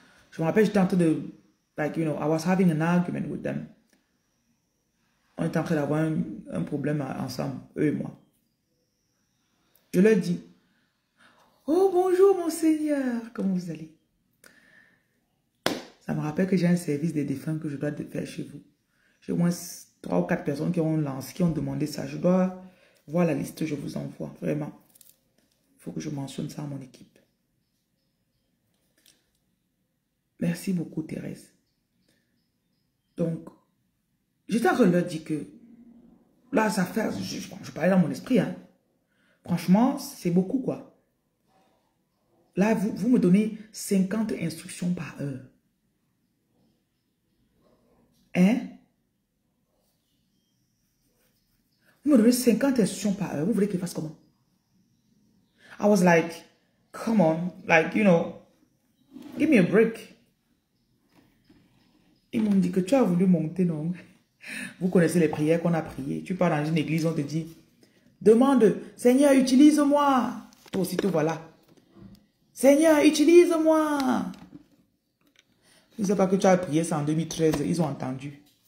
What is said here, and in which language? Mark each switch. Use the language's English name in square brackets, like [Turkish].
[French] Je me rappelle, j'étais en train de, [English] like, you know, I was having an argument with them. [French] On était en train d'avoir un problème ensemble, eux et moi. Je leur dis, oh bonjour mon Seigneur, comment vous allez? Ça me rappelle que j'ai un service des défunts que je dois faire chez vous. J'ai au moins 3 ou 4 personnes qui ont demandé ça. Je dois voir la liste, je vous envoie. Vraiment. Il faut que je mentionne ça à mon équipe. Merci beaucoup, Thérèse. Donc, J'étais en train de leur dire que là, ça fait. Je parlais dans mon esprit, hein. Franchement, c'est beaucoup, quoi. Là, vous me donnez 50 instructions par heure. Hein? Vous me donnez 50 instructions par heure. Vous voulez qu'il fasse comment? [English] I was like, come on, like, you know, give me a break. [French] Ils m'ont dit que tu as voulu monter, non? Vous connaissez les prières qu'on a priées. Tu pars dans une église, on te dit, demande, Seigneur, utilise-moi. Toi aussi, te voilà. Seigneur, utilise-moi. Ils ne savent pas que tu as prié ça en 2013. Ils ont entendu.